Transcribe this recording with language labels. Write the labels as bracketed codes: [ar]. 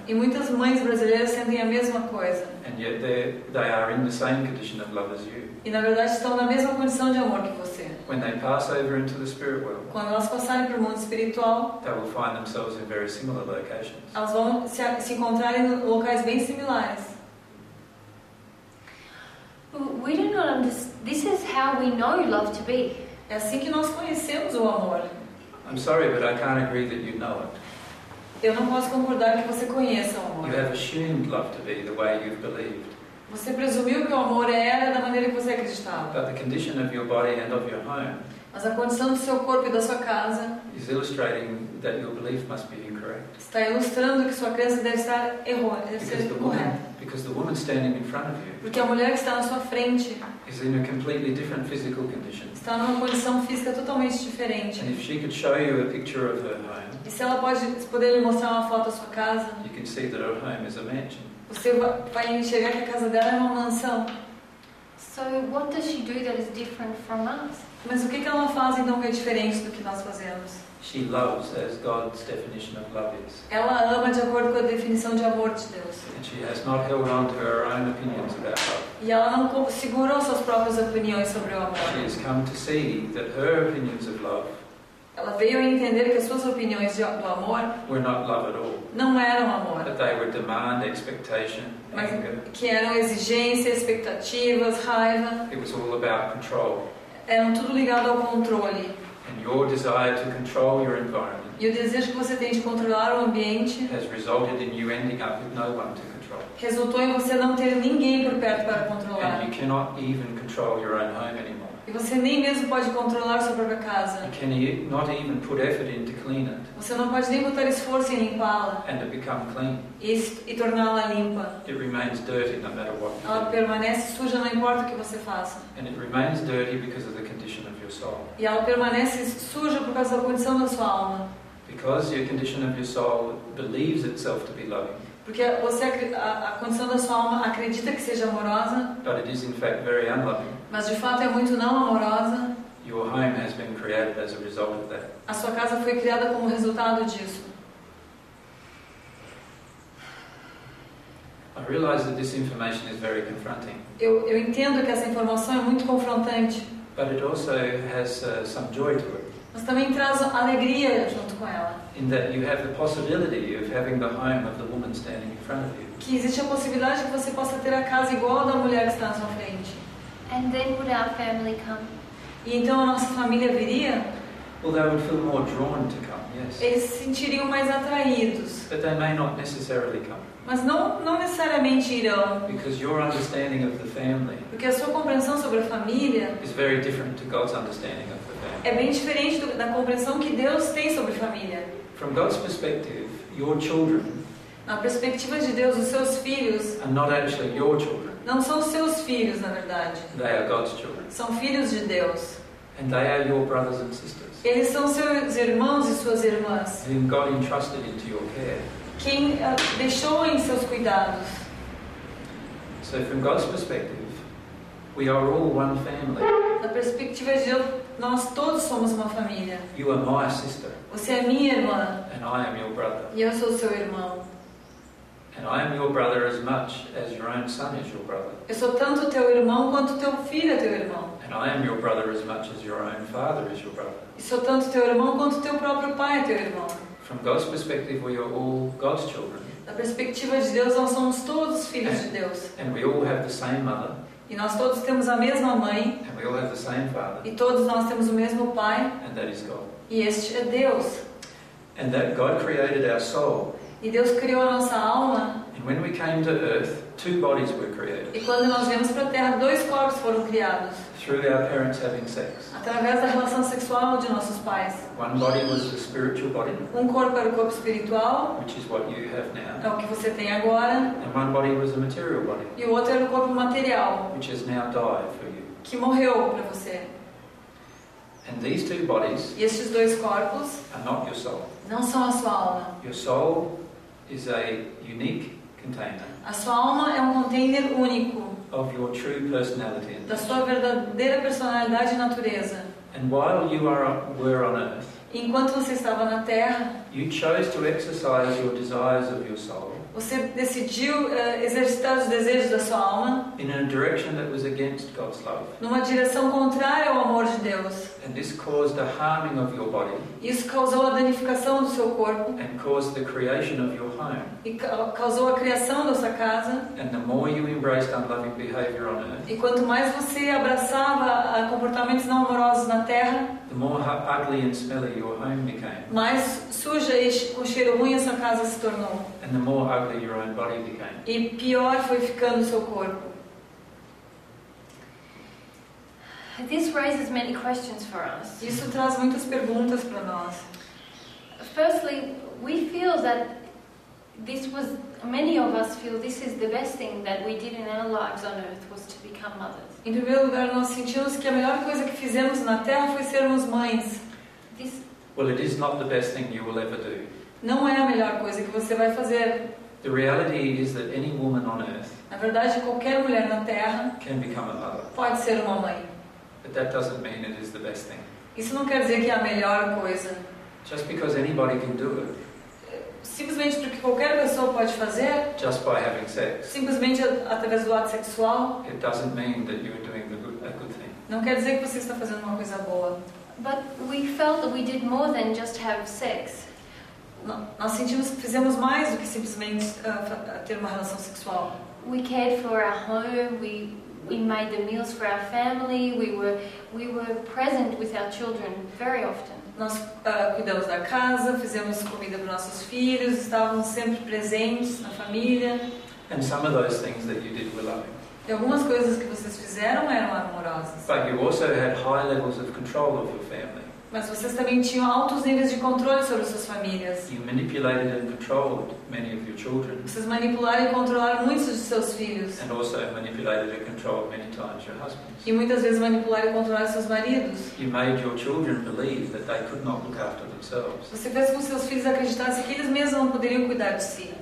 [pt] E muitas mães brasileiras sentem a mesma coisa. [en] And yet they are in the same condition of love as you. [pt] E na verdade estão na mesma condição de amor que você. [en] When they pass over into the spirit world, [pt] quando elas passarem para o mundo espiritual, [en] they will find themselves in very similar locations. [pt] Elas vão se encontrar em locais bem similares. [en] We do not understand. This is how we know love to be. [pt] É assim que nós conhecemos o amor. [en] I'm sorry, but I can't agree that you know it. [pt] Eu não posso concordar que você conheça o amor. [en] You have assumed love to be the way you've believed. [pt] Você presumiu que o amor era da maneira que você acreditava. [en] But the condition of your body and of your home, [pt] mas a condição do seu corpo e da sua casa, [en] is illustrating that your belief must be incorrect. [pt] Está ilustrando que sua crença deve estar errada, deve ser incorreta. [en] Because the woman standing in front of you, [pt] porque a mulher que está na sua frente, [en] is in a completely different physical condition. [pt] Está numa condição física totalmente diferente. [en] And if she could show you a picture of her home, [pt] e se ela pode poder lhe mostrar uma foto da sua casa, [en] you can see that her home is a mansion. [pt] Você vai enxergar que a casa dela é uma mansão. [en] So what does she do that is different from us? [pt] Mas o que ela faz então que é diferente do que nós fazemos? [en] She loves as God's definition of love is. [pt] Ela ama de acordo com a definição de amor de Deus. [en] And she has not held on to her own opinions about love. [pt] E ela não segurou suas próprias opiniões sobre o amor. [en] She has come to see that her opinions of love, [pt] ela veio a entender que as suas opiniões do amor, [en] were not love at all. [pt] Não eram amor. [en] That they were demand, expectation, [pt] mas [en] anger. [pt] Que eram exigências, expectativas, raiva. [en] It was all about control. [pt] Eram tudo ligado ao controle. [en] And your desire to control your environment, [pt] e o desejo que você tem de controlar o ambiente, [en] has resulted in you ending up with no one to control. [pt] Resultou em você não ter ninguém por perto para controlar. [en] And you cannot even control your own home anymore. [pt] E você nem mesmo pode controlar sua própria casa. [en] You can not even put effort in to clean it. [pt] Você não pode nem botar esforço em limpá-la. [en] And to become clean. [pt] E torná-la limpa. [en] It remains dirty no matter what. [pt] Ela permanece suja não importa o que você faça. [en] And it remains dirty because of the condition of your soul. [pt] E ela permanece suja por causa da condição da sua alma. [en] Because your condition of your soul believes itself to be loving. [pt] Porque você, a condição da sua alma acredita que seja amorosa. [en] But it is in fact very unloving. [pt] Mas de fato é muito não amorosa. [en] Your home has been created as a result of that. [pt] A sua casa foi criada como resultado disso. [en] I realize that this information is very confronting. [pt] Eu entendo que essa informação é muito confrontante. [en] But it also has some joy to it. [pt] Mas também traz alegria junto com ela. [en] In that you have the possibility of having the home of the woman standing in front of you. [pt] Que existe a possibilidade que você possa ter a casa igual da mulher que está na sua frente. [en] And then would our family come? [pt] E então a nossa família viria? [en] Well, they would feel more drawn to come, yes. [pt] Eles se sentiriam mais atraídos. [en] But they may not necessarily come. [pt] Mas não necessariamente irão. [en] Because your understanding of the family. [pt] Porque a sua compreensão sobre a família. [en] Is very different to God's understanding of the family. [pt] É bem diferente da compreensão que Deus tem sobre a família. [en] From God's perspective, your children. [pt] Na perspectiva de Deus, os seus filhos. [en] Are not actually your children. [pt] Não são seus filhos, na verdade. [en] They are God's children. [pt] São filhos de Deus. [en] And they are your brothers and sisters. [pt] Eles são seus irmãos e suas irmãs. [en] Whom God entrusted into your care. [pt] Quem deixou em seus cuidados. [en] So from God's perspective, we are all one family. [pt] Da perspectiva de Deus, nós todos somos uma família. [en] You are my sister. [pt] Você é minha irmã. [en] And I am your brother. [pt] E eu sou seu irmão. [en] And I am your brother as much as your own son is your brother. [pt] Eu sou tanto teu irmão quanto teu filho é teu irmão. [en] And I am your brother as much as your own father is your brother. [pt] Eu sou tanto teu irmão quanto teu próprio pai é teu irmão. [en] From God's perspective, we are all God's children. [pt] Da perspectiva de Deus, nós somos todos filhos de Deus. [en] And we all have the same mother. [pt] E nós todos temos a mesma mãe. [en] And we all have the same father. [pt] E todos nós temos o mesmo pai. [en] And that is God. [pt] E este é Deus. [en] And that God created our soul. [pt] E Deus criou a nossa alma. [en] And when we came to earth, two bodies were created. [pt] E quando nós viemos para a Terra, dois corpos foram criados. [en] Through our parents having sex. [pt] Através da relação sexual de nossos pais. [en] One body was the spiritual body. [pt] Um corpo era o corpo espiritual. [en] Which is what you have now. [pt] É o que você tem agora. [en] And one body was a material body. [pt] E o outro era o corpo material. [en] Which has now died for you. [pt] Que morreu para você. [en] And these two bodies. [pt] E esses dois corpos. [en] Are not your soul. [pt] Não são a sua alma. [en] Your soul is a unique container. [pt] A sua alma é um container único. [en] Of your true personality. [pt] Da sua verdadeira personalidade e natureza. [en] And while you were on earth. [pt] Enquanto você estava na Terra. [en] You chose to exercise your desires of your soul. [pt] Você decidiu exercitar os desejos da sua alma. [en] In a direction that was against God's love. [pt] Numa direção contrária ao amor de Deus. [en] And this caused a harming of your body. [pt] Isso causou a danificação do seu corpo. [en] And caused the creation of your home. [pt] E causou a criação da sua casa. [en] And the more you embraced unloving behavior on earth. [pt] E quanto mais você abraçava comportamentos não amorosos na Terra. [en] The more ugly and smelly your home became. [pt] Mais suja e com cheiro ruim a sua casa se tornou. [en] And the more ugly your own body became. [pt] E pior foi ficando o seu corpo. [en] This raises many questions for us. [pt] Isso traz muitas perguntas para nós. [en] Firstly, we feel that this was, many of us feel this is the best thing that we did in our lives on earth was to become mothers. [pt] Em primeiro lugar, nós sentimos que a melhor coisa que fizemos na Terra foi sermos mães. [en] This, well, it is not the best thing you will ever do. [pt] Não é a melhor coisa que você vai fazer. [en] The reality is that any woman on earth. [pt] Na verdade, qualquer mulher na Terra. [en] Can become a mother. [pt] Pode ser uma mãe. [en] But that doesn't mean it is the best thing. [pt] Isso não quer dizer que é a melhor coisa. [en] Just because anybody can do it. [pt] Simplesmente porque qualquer pessoa pode fazer. [en] Just by having sex. [pt] Simplesmente através do ato sexual. [en] It doesn't mean that you are doing a good thing. [pt] Não quer dizer que você está fazendo uma coisa boa. [en] But we felt that we did more than just have sex. [pt] Nós sentimos que fizemos mais do que simplesmente ter uma relação sexual. [en] We cared for our home. We made the meals for our family. We were present with our children very often. [pt] Nós cuidamos da casa, fizemos comida para nossos filhos, estávamos sempre presentes na família. [en] And some of those things that you did were loving. [pt] E algumas coisas que vocês fizeram eram amorosas. [en] But you also had high levels of control of your family. [pt] Mas vocês também tinham altos níveis de controle sobre suas famílias. [en] You manipulated and controlled many of your children. [pt] Vocês manipularam e controlaram muitos de seus filhos. [en] And also manipulated and controlled many times your husbands. [pt] E muitas vezes manipularam e controlaram seus maridos. [en] You made your children believe that they could not look after themselves. [pt] Você fez com seus filhos acreditassem que eles mesmos não poderiam cuidar de si.